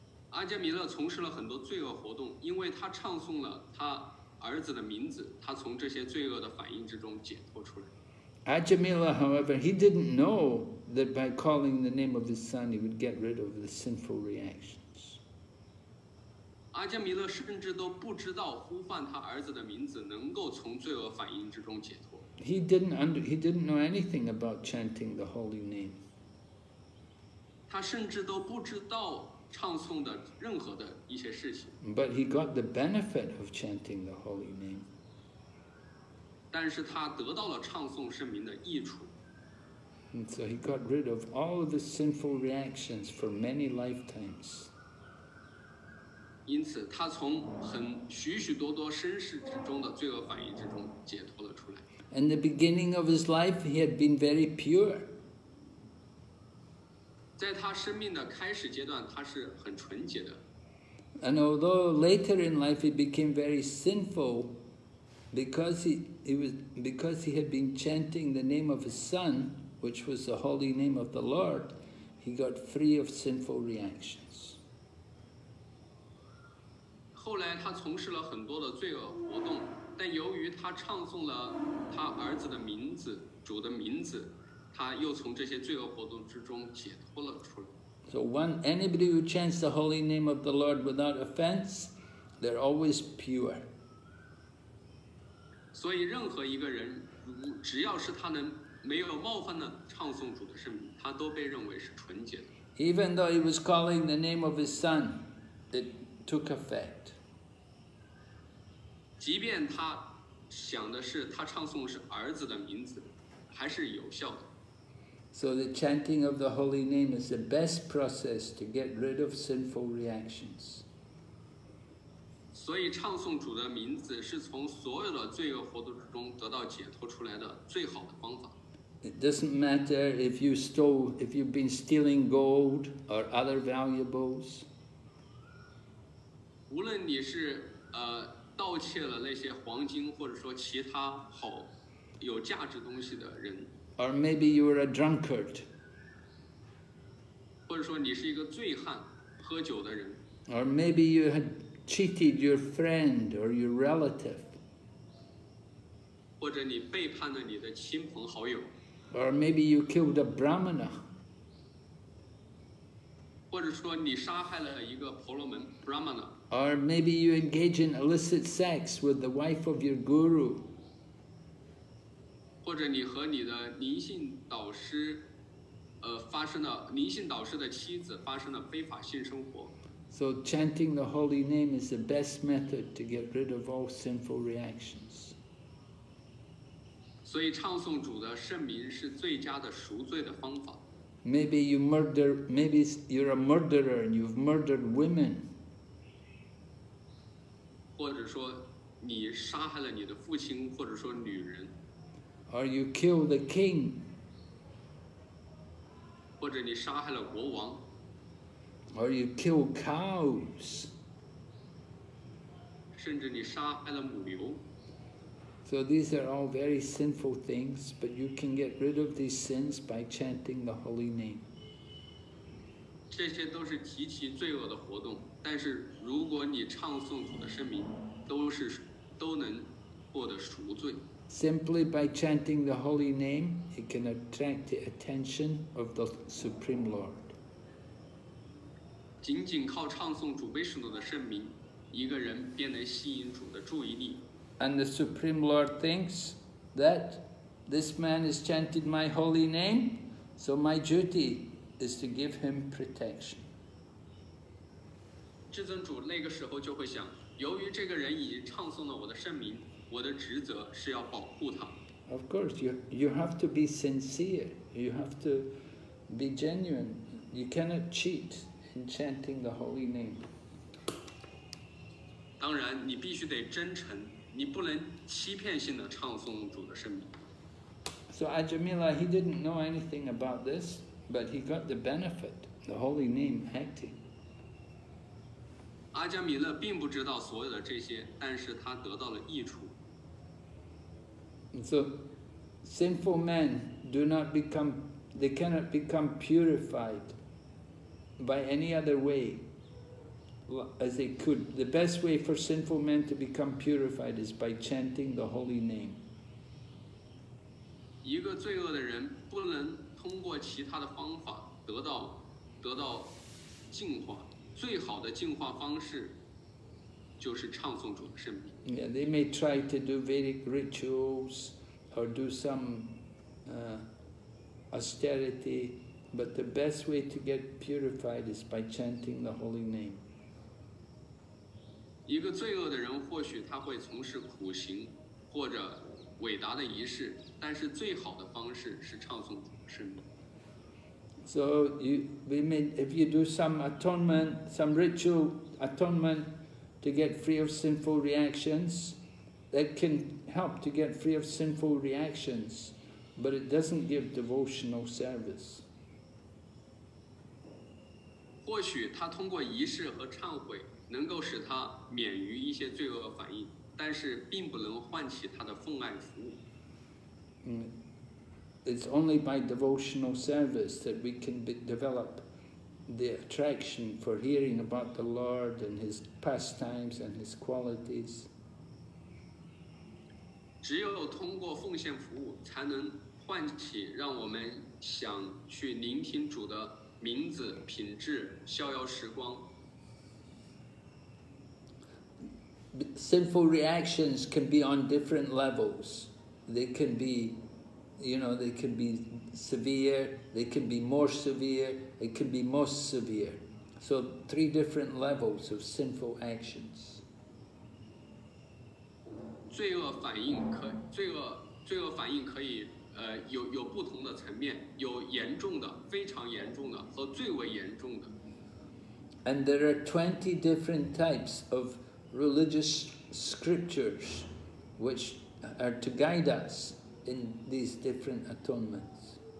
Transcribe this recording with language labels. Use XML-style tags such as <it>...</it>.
<zh>Ajamila 从事了很多罪恶活动，因为他唱诵了他儿子的名字，他从这些罪恶的反应之中解脱出来。</zh> <en>Ajamila, however, he didn't know that by calling the name of his son, he would get rid of the sinful reactions.</en> <zh>Ajamila 甚至都不知道呼唤他儿子的名字能够从罪恶反应之中解脱。</zh> <en>He didn't know anything about chanting the holy name.</en> <zh>他甚至都不知道唱诵的任何的一些事情。</zh> <en>But he got the benefit of chanting the holy name.</en> <zh>但是他得到了唱诵圣名的益处。</zh> <en>And so he got rid of all of the sinful reactions for many lifetimes.</en> <zh>因此他从很许许多多身世之中的罪恶反应之中解脱了出来。</zh> <en>In the beginning of his life, he had been very pure.</en> <zh>在他生命的开始阶段，他是很纯洁的。</zh> <en>And although later in life he became very sinful, because he had been chanting the name of his son, which was the holy name of the Lord, he got free of sinful reactions.</en> <zh>后来他从事了很多的罪恶活动。但由于他唱诵了他儿子的名字，主的名字，他又从这些罪恶活动之中解脱了出来。</zh> <en>So one anybody who chants the holy name of the Lord without offense, they're always pure.</en> <zh>所以任何一个人，只要是他能没有冒犯的唱诵主的圣名，他都被认为是纯洁的。</zh> <en>Even though he was calling the name of his son, it took effect.</en> <zh>即便他想的是他唱诵是儿子的名字，还是有效的。</zh> <en>So the chanting of the holy name is the best process to get rid of sinful reactions.</en> <zh>所以唱诵主的名字是从所有的罪恶活动之中得到解脱出来的最好的方法。</zh> <en>It doesn't matter if you've been stealing gold or other valuables.</en> <zh>无论你是盗窃了那些黄金或者说其他好有价值东西的人</zh> <en>or maybe you were a drunkard</en> <zh>或者说你是一个醉汉喝酒的人</zh> <en>or maybe you had cheated your friend or your relative</en> <zh>或者你背叛了你的亲朋好友</zh> <en>or maybe you killed a brahmana</en> <zh>或者说你杀害了一个婆罗门 brahmana</zh> <en>Or maybe you engage in illicit sex with the wife of your guru.</en> <zh>或者你和你的灵性导师，发生了灵性导师的妻子发生了非法性生活。</zh> <en>So chanting the holy name is the best method to get rid of all sinful reactions.</en> <zh>所以唱诵主的圣名是最佳的赎罪的方法。</zh> <en>Maybe you're a murderer and you've murdered women.</en> <zh>或者说你杀害了你的父亲或者说女人</zh> <en>or you kill the king</en> <zh>或者你杀害了国王</zh> <en>or you kill cows</en> <zh>甚至你杀害了母牛</zh> <en>so these are all very sinful things but you can get rid of these sins by chanting the holy name</en> <zh>这些都是极其罪恶的活动但是如果你唱诵主的圣名都能获得赎罪</zh> <en>Simply by chanting the holy name it can attract the attention of the Supreme Lord</en> <zh>仅仅靠唱诵主威士诺的圣名一个人便能吸引主的注意力</zh> <en>And the Supreme Lord thinks that this man is chanting my holy name so my duty is to give him protection</en> <zh>至尊主那个时候就会想，由于这个人已经唱诵了我的圣名，我的职责是要保护他。</zh> <en>Of course, you have to be sincere. You have to be genuine. You cannot cheat in chanting the holy name.</en> <zh>当然，你必须得真诚，你不能欺骗性的唱诵主的圣名。</zh> <en>So Ajamila, he didn't know anything about this, but he got the benefit, the holy name acting.</en> <zh>阿加米勒并不知道所有的这些，但是他得到了益处。</zh> <en>So, sinful men do not become, they cannot become purified by any other way as they could. The best way for sinful men to become purified is by chanting the holy name.</en> <zh>一个罪恶的人不能通过其他的方法得到净化，最好的净化方式就是唱颂主的圣名。</zh> <en>Yeah, they may try to do Vedic rituals or do some austerity, but the best way to get purified is by chanting the holy name.</en> <zh>一个罪恶的人或许他会从事苦行或者伟大的仪式，但是最好的方式是唱颂主的圣名。</zh> <en>So you, we may, if you do some atonement, some ritual atonement to get free of sinful reactions, that can help to get free of sinful reactions, but it doesn't give devotional service.</en> <zh>或许他通过仪式和忏悔能够使他免于一些罪恶反应，但是并不能唤起他的奉爱服务。</zh> <en>It's only by devotional service that we can develop the attraction for hearing about the Lord and His pastimes and His qualities.</en> <zh>只有通过奉献服务才能唤起让我们想去聆听主的名字、品质、逍遥时光。</zh> <en>Sinful reactions can be on different levels. They can be, you know, they can be severe, they can be more severe, it can be most severe. So three different levels of sinful actions.</en> <zh>罪恶反应可以有不同的层面，有严重的、非常严重的和最为严重的。</zh> <en>And there are 20 different types of religious scriptures which are to guide us in these different atonements.</en>